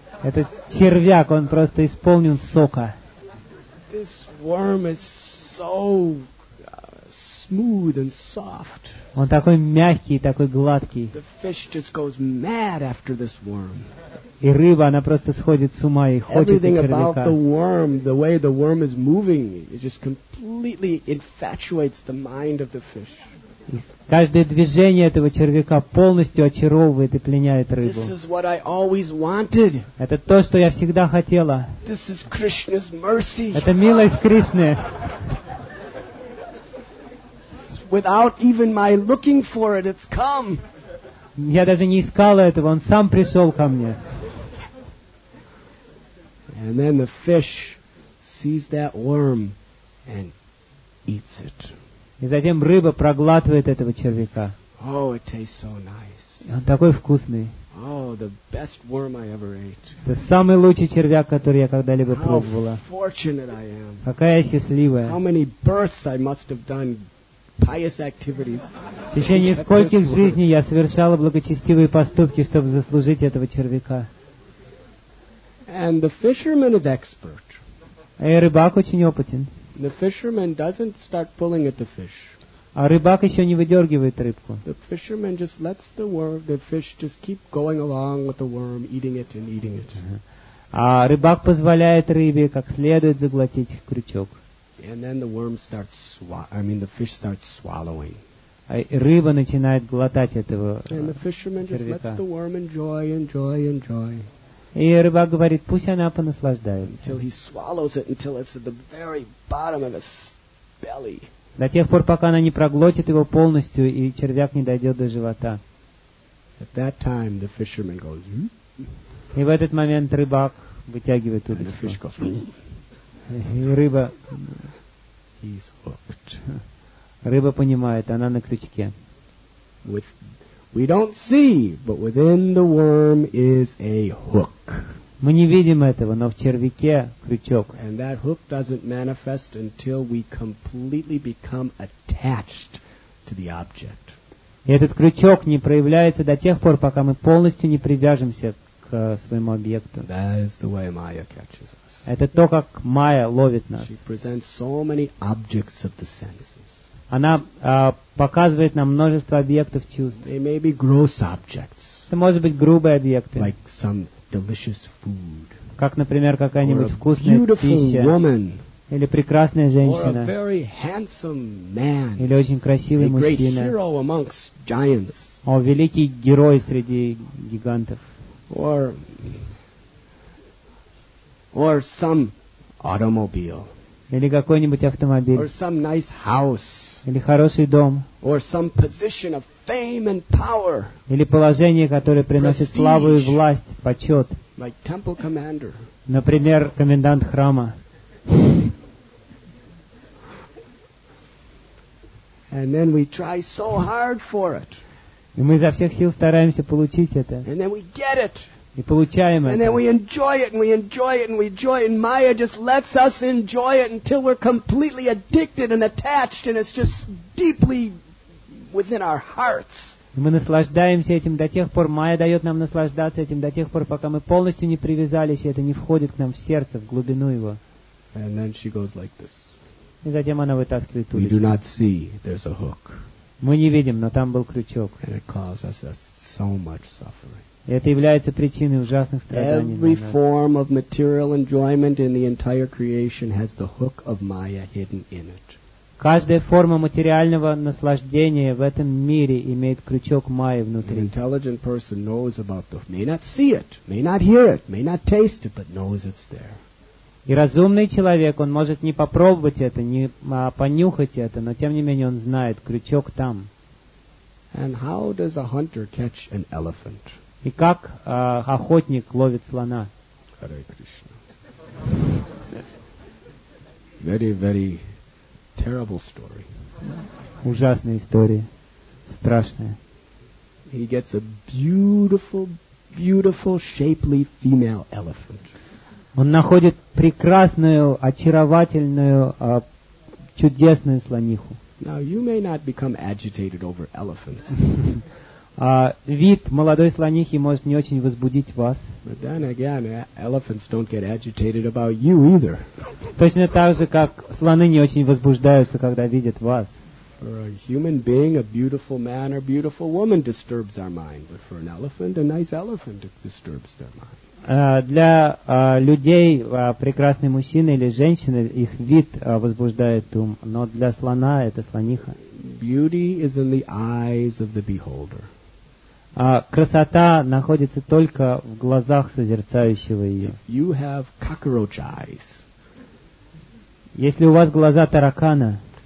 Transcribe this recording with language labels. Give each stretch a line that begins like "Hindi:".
Russian: Этот червяк, он просто исполнен сока.
English: This worm is so smooth and soft.
Russian: Он такой мягкий, такой гладкий.
English: The fish just goes mad after this worm.
Russian: И рыба, она просто сходит с ума и хочет
English: Everything
Russian: червяка.
English: Everything about the worm, the way the worm is moving, it just completely infatuates the mind of the fish.
Russian: И каждое движение этого червяка полностью очаровывает и пленяет рыбу.
English: This is what I always wanted.
Russian: Это то, что я всегда хотела.
English: This is Krishna's mercy.
Russian: Это милость Кришны.
English: Without even my looking for it, it's come.
Russian: Я даже не искала этого, он сам пришел ко мне.
English: And then the fish sees that worm and eats it.
Russian: И затем рыба проглатывает этого червяка.
English: Oh, it tastes so nice.
Russian: Он такой вкусный.
English: Oh, the best worm I ever ate.
Russian: Это самый лучший червяк, который я когда-либо пробовала.
English: How fortunate I am.
Russian: Какая счастливая.
English: How many births I must have done. Pious activities.
Russian: В течение скольких жизней я совершала благочестивые поступки, чтобы заслужить этого червяка.
English: And the fisherman is expert.
Russian: А рыбак очень опытен.
English: The fisherman doesn't start pulling at the fish.
Russian: А рыбак еще не выдергивает рыбку.
English: The fisherman just lets the fish just keep going along with the worm, eating it and eating it.
Russian: А рыбак позволяет рыбе как следует заглотить крючок.
English: And then the fish starts swallowing.
Russian: Рыба начинает глотать этого червяка.
English: And the fisherman just lets the worm enjoy, enjoy, enjoy.
Russian: И рыбак говорит, пусть она понаслаждается.
English: Until he swallows it, until it's at the very bottom of his belly.
Russian: До тех пор, пока она не проглотит его полностью и червяк не дойдет до живота.
English: At that time, the fisherman goes.
Russian: И в этот момент рыбак вытягивает удочку.
English: And the fish goes.
Russian: И рыба,
English: He's hooked.
Russian: Рыба понимает, она на крючке.
English: We don't see, but within the worm is a hook.
Russian: Мы не видим этого, но в червяке крючок.
English: And that hook doesn't manifest until we completely become attached to the object.
Russian: И этот крючок не проявляется до тех пор, пока мы полностью не привяжемся к своему объекту.
English: That is the way Maya catches us.
Russian: Это то, как Майя ловит нас.
English: She presents so many objects of the senses.
Russian: Она показывает нам множество объектов чувств.
English: They may be gross objects.
Russian: Это может быть грубые объекты.
English: Like some delicious food.
Russian: Как, например, какая-нибудь
English: or
Russian: вкусная
English: beautiful
Russian: пища.
English: Woman.
Russian: Или прекрасная женщина.
English: Or a very handsome man.
Russian: Или очень красивый
English: a
Russian: мужчина.
English: Great hero amongst giants.
Russian: О, великий герой среди гигантов.
English: Or some automobile.
Russian: Или какой-нибудь автомобиль.
English: Or some nice house.
Russian: Или хороший дом.
English: Or some position of fame and power.
Russian: Или положение, которое приносит славу и власть, почет.
English: Like temple commander.
Russian: Например, комендант храма.
English: And then we try so hard for it.
Russian: И мы изо всех сил стараемся получить это.
English: And then we get it.
Russian: И получаем
English: and
Russian: это.
English: Then we enjoy it, and we enjoy it, and we enjoy it, and Maya just lets us enjoy it until we're completely addicted and attached, and it's just deeply within our hearts.
Russian: Мы наслаждаемся этим до тех пор, Майя дает нам наслаждаться этим до тех пор, пока мы полностью не привязались, и это не входит к нам в сердце, в глубину его.
English: And then she goes like this.
Russian: И затем она вытаскивает удочку.
English: We do not see, there's a hook.
Russian: Мы не видим, но там был крючок.
English: And it causes us so much suffering.
Russian: И это является причиной ужасных страданий.
English: Every form of material enjoyment in the entire creation has the hook of Maya hidden in it.
Russian: Каждая форма материального наслаждения в этом мире имеет крючок Майи внутри.
English: An intelligent person knows about the may not see it, may not hear it, may not taste it, but knows it's there.
Russian: И разумный человек, он может не попробовать это, не понюхать это, но тем не менее он знает, крючок там.
English: And how does a hunter catch an elephant?
Russian: И как охотник ловит слона? Харе Кришна.
English: Very, very terrible story.
Russian: Ужасная история. Страшная.
English: he gets a beautiful, beautiful, shapely female elephant.
Russian: Он находит прекрасную, очаровательную, чудесную слониху.
English: Now you may not become agitated over elephants.
Russian: Вид молодой слонихи может не очень возбудить вас.
English: But then again, elephants don't get agitated about you either.
Russian: Точно так же, как слоны не очень возбуждаются, когда видят вас.
English: For a human being, a beautiful man or beautiful woman disturbs our mind, but for an elephant, a nice elephant disturbs their mind.
Russian: Для людей прекрасный мужчина или женщина их вид возбуждает ум, но для слона это слониха.
English: Beauty is in the eyes of the beholder.
Russian: Красота находится только в глазах созерцающего ее.
English: If you have cockroach eyes,
Russian: если у вас глаза таракана,